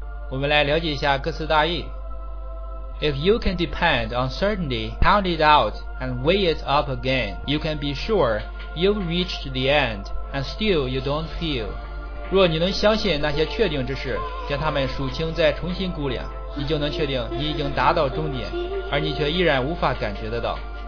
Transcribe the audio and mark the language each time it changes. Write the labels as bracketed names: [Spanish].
[Chinese] 我们来了解一下歌词大意。 [English] If you can depend on certainty, count it out and weigh it up again. You can be sure you've reached the end and still you don't feel. [Chinese] 若你能相信那些确定之事，将它们数清再重新估量，你就能确定你已经达到终点，而你却依然无法感觉得到。